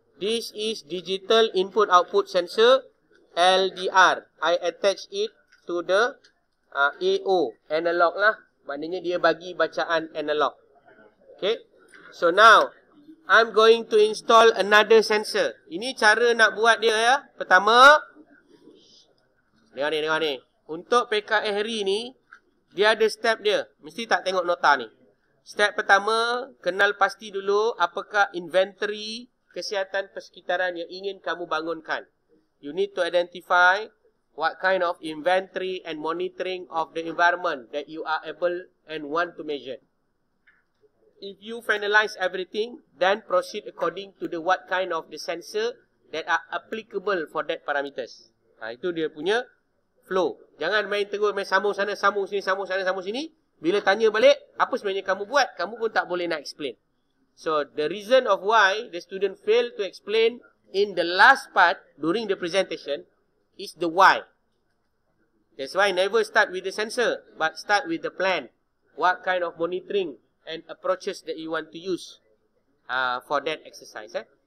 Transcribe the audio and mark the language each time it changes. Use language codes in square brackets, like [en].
[en] This is digital input output sensor, LDR. I attach it to the AO, analog lah. [ms] Maknanya dia bagi bacaan analog. Okay. [en] So now I'm going to install another sensor. [ms] Ini cara nak buat dia ya. Pertama, dengar ni, dengar ni. Untuk PKHRI ni, dia ada step dia. Mesti tak tengok nota ni. Step pertama, kenal pasti dulu apakah inventory kesihatan persekitaran yang ingin kamu bangunkan. [en] You need to identify what kind of inventory and monitoring of the environment that you are able and want to measure. If you finalize everything, then proceed according to the what kind of the sensor that are applicable for that parameters. [ms] Ha, itu dia punya flow. Jangan main terus, main sambung sana, sambung sini, sambung sana, sambung sini. Bila tanya balik, apa sebenarnya kamu buat? Kamu pun tak boleh nak explain. [en] So, the reason of why the student fail to explain in the last part during the presentation is the why. That's why never start with the sensor, but start with the plan. What kind of monitoring and approaches that you want to use for that exercise. Eh?